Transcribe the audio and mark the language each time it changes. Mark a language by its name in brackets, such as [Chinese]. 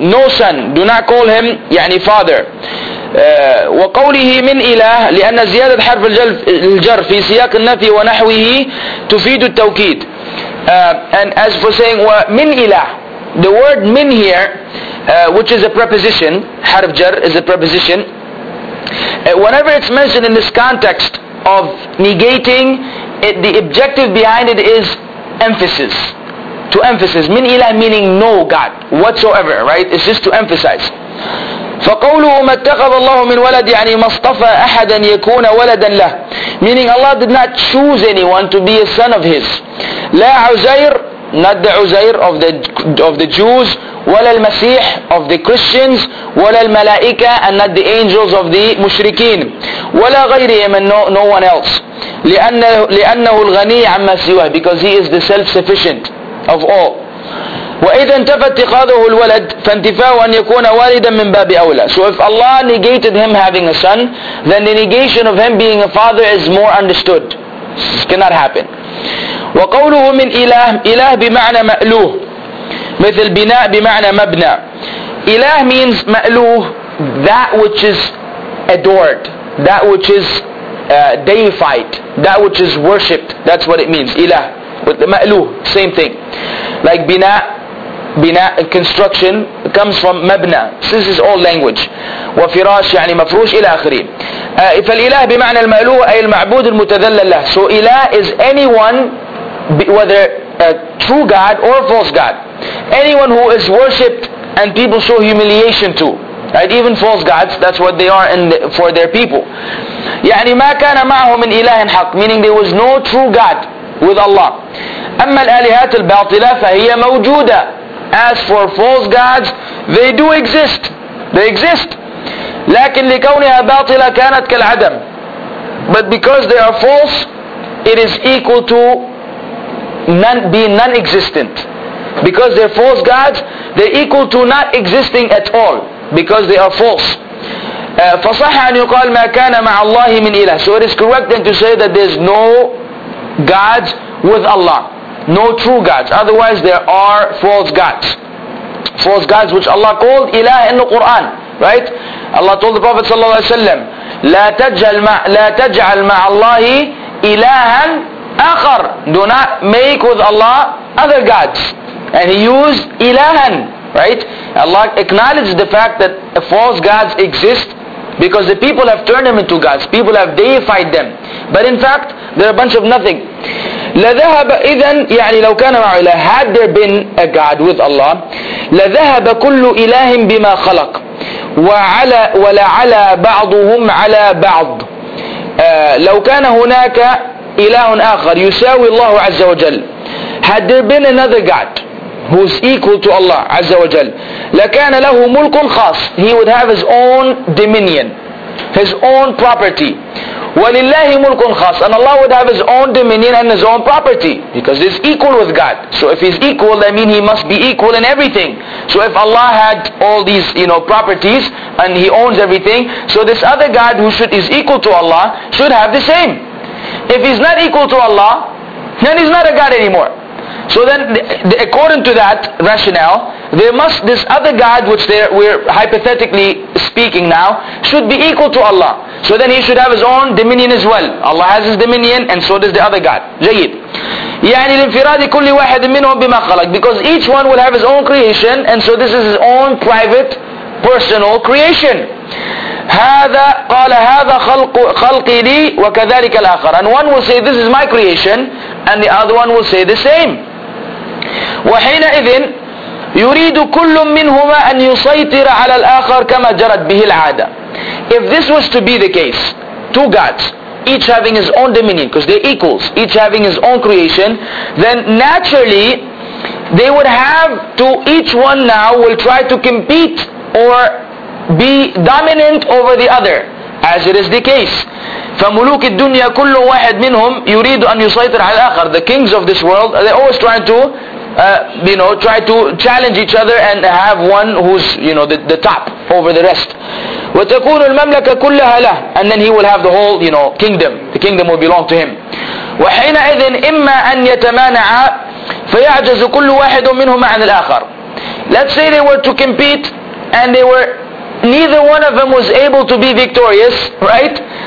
[English] No son, do not call him, [Arabic] يعني [English] father. [Arabic] وقوله من إله لأن زيادة حرف الجر في سياق النفي ونحوه تفيد التوكيد. [English] And as for saying [Arabic] من إله, [English] the word من here, which is a preposition, [Arabic] حرف جر [English] is a preposition, whenever it's mentioned in this context of negating it, the objective behind it is emphasis. To emphasize, min ilah meaning no God whatsoever, right? It's just to emphasize. [Arabic] فَقَوْلُهُ مَا اتَّخَذَ اللَّهُ مِنْ وَلَدٍ يعني مَصْطَفَى أَحَدًا يَكُونَ وَلَدًا لَهُ, [English] meaning Allah did not choose anyone to be a son of his. [Arabic] لَا عُزَيْر, [English] not the عُزَيْر of the Jews, [Arabic] وَلَا الْمَسِيح [English] of the Christians, [Arabic] وَلَا الْمَلَائِكَ, [English] and not the angels of the مُشْرِكِين, [Arabic] وَلَا غَيْرِهِمْ, [English] and no one else. [Arabic] لِأَنَّهُ الْغَنِيَ عَمَّا سِوَهُ, [English] because he is the self-sufficient of all. [Arabic] وإذا انتفى اتخاذه الولد فانتفاه أن يكون والدا من باب أولى. [English] So if Allah negated him having a son, then the negation of him being a father is more understood. This cannot happen. [Arabic] وقوله من إله, إله بمعنى مألوه, مثل بناء بمعنى مبنى. [English] إله means مألوه, that which is adored, that which is deified, that which is worshipped. That's what it means, إله. With the ma'luh, same thing. Like bina, construction, comes from mabna. This is all language. [Arabic] Wa firash, يعني مفروش, إلى آخره. فالإله بمعنى المألوه أي المعبود المتذلل له. [English] So إله is anyone, whether a true God or a false God. Anyone who is worshipped and people show humiliation to. Right? Even false gods, that's what they are for their people. [Arabic] يعني ما كان معه من إله حق, [English] meaning there was no true God with Allah. [Arabic] أما الآلهات الباطلة فهي موجودة. [English] As for false gods, they do exist. They exist. [Arabic] لكن لكونها باطلة كانت كالعدم. [English] But because they are false, it is equal to being non-existent. Because they're false gods, they're equal to not existing at all because they are false. [Arabic] فصح أن يقال ما كان مع الله من إله. [English] So it is correct then to say that there's no gods with Allah, no true gods. Otherwise, there are false gods. False gods which Allah called إله in the Quran, right? Allah told the Prophet [Arabic] صلى الله عليه وسلم, لا تجعل مع الله إلها آخر. [English] Do not make with Allah other gods. And he used ilahan, right? Allah acknowledged the fact that false gods exist because the people have turned them into gods. People have deified them. But in fact, they're a bunch of nothing. [Arabic] لَذَهَبَ إِذَنْ يَعْنِي لَوْ كَانَ مَعُ إِلَهِ. [English] Had there been a god with Allah, [Arabic] لَذَهَبَ كُلُّ إِلَهٍ بِمَا خَلَقْ وَلَعَلَى بَعْضُهُمْ عَلَى بَعْضٍ. لَوْ كَانَ هُنَاكَ إِلَهٌ آخَرْ يُسَاوِي اللَّهُ عَزَّ وَجَلْ. [English] Had there been another god who's equal to Allah Azza wa Jal, [Arabic] لَكَانَ لَهُ مُلْكٌ خَاصٌ. [English] He would have his own dominion, his own property. [Arabic] وَلِلَّهِ مُلْكٌ خَاصٌ. [English] And Allah would have his own dominion and his own property because he's equal with God. So if he's equal, that means he must be equal in everything. So if Allah had all these, you know, properties and he owns everything, so this other God who is equal to Allah should have the same. If he's not equal to Allah, then he's not a God anymore. So then, according to that rationale, this other God which we're hypothetically speaking now, should be equal to Allah. So then he should have his own dominion as well. Allah has his dominion and so does the other God. [Arabic] جيد. يعني الانفراد كل واحد منهم بما خلق. [English] Because each one will have his own creation and so this is his own private, personal creation. [Arabic] هذا قال هذا خلقي لي وكذلك الآخر. [English] And one will say this is my creation and the other one will say the same. [Arabic] وحينئذ يريد كل منهما أن يسيطر على الآخر كما جرت به العادة. [English] If this was to be the case, two gods, each having his own dominion, because they're equals, each having his own creation, then naturally they would have to, each one now will try to compete or be dominant over the other, as it is the case. [Arabic] فملوك الدنيا كل واحد منهم يريد أن يسيطر على الآخر. [English] The kings of this world, they're always trying to try to challenge each other and have one who's, you know, the top over the rest. [Arabic] وتكون المملكة كلها له. [English] And then he will have the whole, you know, kingdom. The kingdom will belong to him. [Arabic] وحينئذ إما أن يتمانع فيعجز كل واحد منهما عن الآخر. [English] Let's say they were to compete and they were, neither one of them was able to be victorious, right?